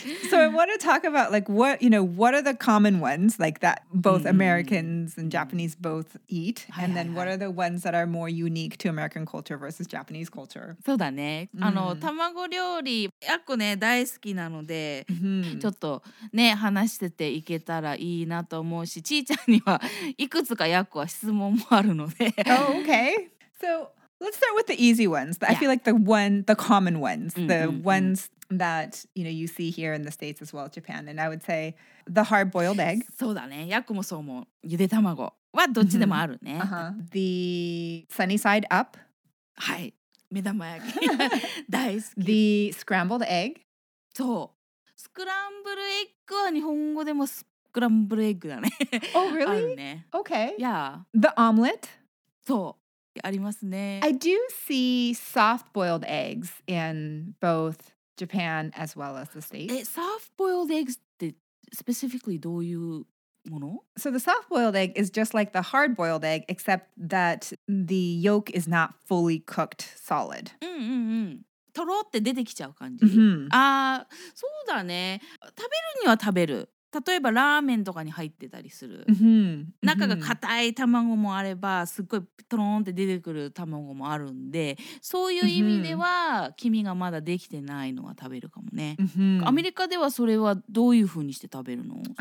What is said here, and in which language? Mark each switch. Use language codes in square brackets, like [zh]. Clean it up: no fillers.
[en] So I want to talk about like what, you know, what are the common ones like that both、mm-hmm. Americans and Japanese both eat? Mm-hmm. And then what are the ones that are more unique to American culture versus Japanese culture? [ja] そうだね。あの、卵料理、やっこね、大好きなので、ちょっとね、話してていけたらいいなと思うし、ちーちゃんにはいくつかやっこは質問もあるので。 [en] Oh, okay. So let's start with the easy ones. I feel like the common ones, the ones that you know you see here in the States as well, Japan. And I would say the hard-boiled egg. [ja] そうだね。ヤコもそう思う。ゆで卵はどっちでもあるね。 [en] The sunny side up. [ja] はい。目玉焼き。大好き。 [en] The scrambled egg. [ja] そう。スクランブルエッグは日本語でもスクランブルエッグだね。 [en] Oh, really? [ja] あるね。 [en] Okay. Yeah. The omelet. [ja] そう。ありますね。 [en] I do see soft-boiled eggs in both Japan as well as the States. [ja] Soft-boiled eggs って [en] specifically [ja] どういうもの? [en] So the soft-boiled egg is just like the hard-boiled egg, except that the yolk is not fully cooked solid. [ja] とろって出てきちゃう感じ。そうだね。食べるには食べる。例えばラーメンとかに入ってたりする、中が固い卵もあればすっごいトローンって出てくる卵もあるんでそういう意味では黄身がまだできてないのは食べるかもね、アメリカではそれはどういう風にして食べるの、